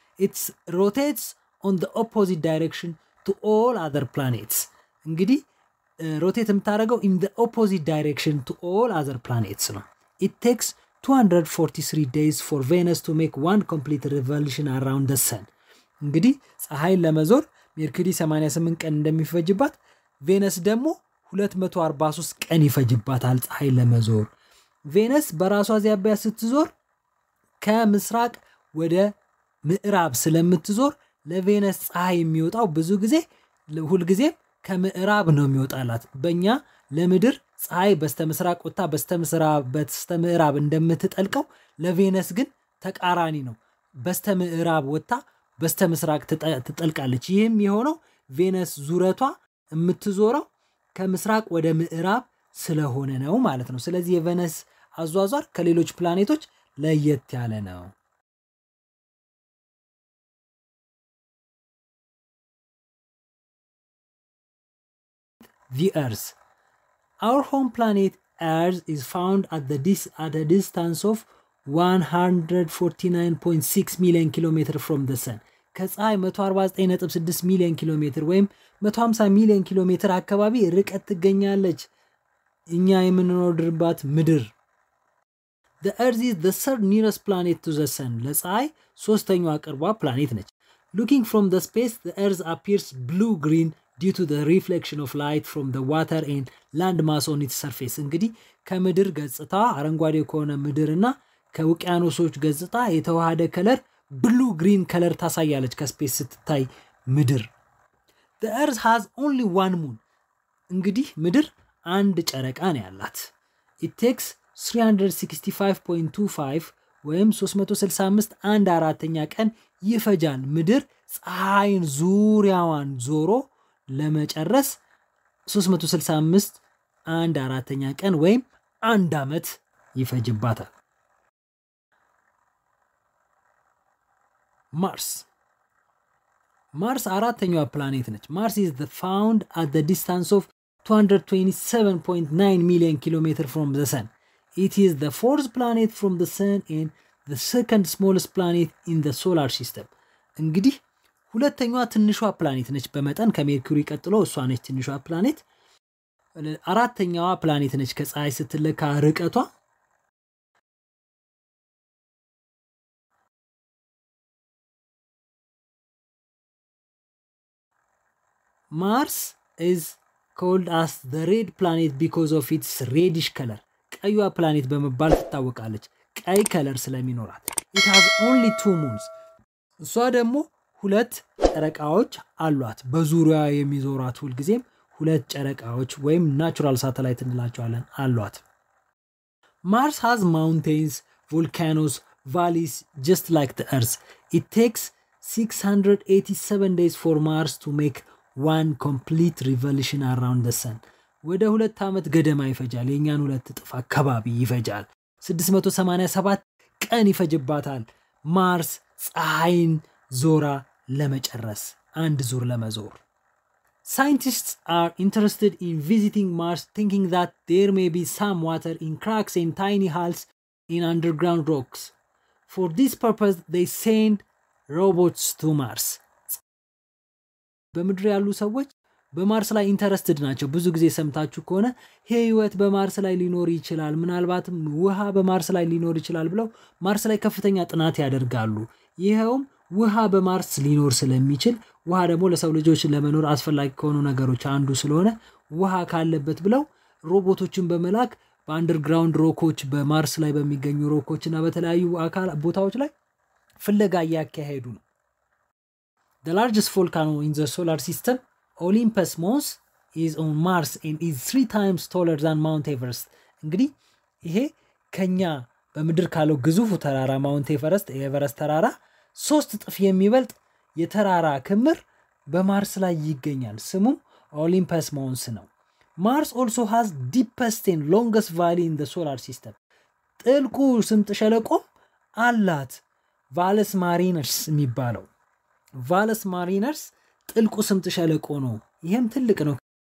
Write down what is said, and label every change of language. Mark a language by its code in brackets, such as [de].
[en] It rotates on the opposite direction to all other planets. Ngidi rotate mtarego in the opposite direction to all other planets. No? It takes 243 days for Venus to make one complete revolution around the sun. [am] Ngidi tsahay lemezor ሜርኩሪ 88 ቀን እንደሚፈጅባት ቬነስ ደግሞ 243 ቀን ይፈጅባታል ፀሐይ ለመዞር። ቬነስ በራሷ ዚያቢያ ስትዞር ከምስራቅ ወደ ምዕራብ ስለምትዞር ለቬነስ ፀሐይ የሚወጣው ብዙ ጊዜ ሁልጊዜ ከምዕራብ ነው የሚወጣላት። በእኛ ለምድር ፀሐይ በስተምስራቅ ወጣ በስተምዕራብ እንደምትጠልቀው ለቬነስ ግን ተቃራኒ ነው። በስተምዕራብ ወጣ በስተምስራቅ ተጠልቃለች። ይሄም የሆነው ቬነስ ዙረቷ የምትዞረው ከምስራቅ ወደ ምዕራብ ስለሆነ ነው ማለት ነው። ስለዚህ የቬነስ አዟዟር ከሌሎች ፕላኔቶች ለየት ያለ ነው። [en] The Earth. Our home planet Earth is found at a distance of 149.6 million kilometers from the sun. [am] ከፀሐይ 149.6 ሚሊዮን ኪሎ ሜትር ወይም 150 ሚሊዮን ኪሎ ሜትር አካባቢ ርቀት ትገኛለች እኛ የምንኖርባት ምድር። [en] The Earth is the third nearest planet to the sun. [am] ለፀሐይ ሶስተኛው አቅርቧ ፕላኔት ነች። [en] Looking from the space, the Earth appears blue-green due to the reflection of light from the water and land mass on its surface. [am] እንግዲህ ከምድር ገጽታ አረንጓዴ ከሆነ ምድርና ከውቅያኖሶች ገጽታ የተዋሃደ ከለር ብሉ ግሪን ከለር ታሳያለች ከስፔስ ስትታይ ምድር። [en] The Earth has only one moon. [am] እንግዲህ ምድር አንድ ጨረቃ ነው ያላት። [en] It takes 365.25 [am] ወይም 365 አንድ አራተኛ ቀን ይፈጃል ምድር ፀሐይን ዙሪያዋን ዞሮ ለመጨረስ 365 አንድ አራተኛ ቀን ወይም አንድ አመት ይፈጅባታል። ማርስ አራተኛው ፕላኔት ነች። [en] ማርስ is the found at the distance of 227.9 million kilometers from the sun. It is the fourth planet from the sun and the second smallest planet in the solar system. [am] እንግዲህ ሁለተኛው ትንሿ ፕላኔት ነች በመጠን ከሜርኩሪ ቀጥሎ እሷ ነች ትንሿ ፕላኔት። አራተኛው ፕላኔት ነች ከፀሐይ ስትለካ ርቀቷ። [en] Mars is called as the red planet because of its reddish color. [am] ቀዩ planet በመባል ትታወቃለች ቀይ color ስለሚኖራት። [en] It has only two moons. [am] እሷ ደግሞ ሁለት ጨረቃዎች አሏት በዙሪያ የሚዞራት ሁልጊዜም ሁለት ጨረቃዎች ወይም natural satellite እንላቸዋለን አሏት። [en] Mars has mountains, volcanoes, valleys just like the Earth. It takes 687 days for Mars to make one complete revolution around the sun. [am] ወደ ሁለት አመት ገደማ ይፈጃል የኛን ሁለት ጥፍ አካባቢ ይፈጃል። 687 ቀን ይፈጅባታል ማርስ ፀሐይን ዞራ ለመጨረስ አንድ ዙር ለመዞር። [en] Scientists are interested in visiting Mars thinking that there may be some water in cracks and tiny holes in underground rocks. For this purpose they send robots to Mars. [am] በምድር ያሉ ሰዎች በማርስ ላይ ኢንተረስትድ ናቸው ብዙ ጊዜ ሰምታችሁ ከሆነ ህይወት በማርስ ላይ ሊኖር ይችላል ምናልባትም ውሃ በማርስ ላይ ሊኖር ይችላል ብለው ማርስ ላይ ከፍተኛ ጥናት ያደርጋሉ ይሄውም ውሃ በማርስ ሊኖር ስለሚችል ውሃ ደግሞ ለሰው ልጆች ለመኖር አስፈላጊ ከሆኑ ነገሮች አንዱ ስለሆነ ውሃ ካለበት ብለው ሮቦቶችን በመላክ በአንደርግራውንድ ሮኮች በማርስ ላይ በሚገኙ ሮኮች እና በተለያዩ ቦታዎች ላይ ፍለጋ ያካሄዱ ነው [en] The largest volcano in the solar system Olympus Mons is on Mars and is 3 times taller than Mount Everest. [am] እንግዲህ ይሄ ከኛ በመድር ካለው ግዙፉ ተራራ Mount Everest የኤቨረስት ተራራ 3 ጥፍ የሚበልጥ የተራራ ክምር በማርስ ላይ ይገኛል ስሙ Olympus Mons ነው. [en] Mars also has deepest and longest valley in the solar system. [am] ጥልቁ ስምጥ ሸለቆ አላት Valles Marineris የሚባለው. Valles Marineris ጥልቁ ስምጥ ሸለቆ ነው ይሄም ትልቅ ነው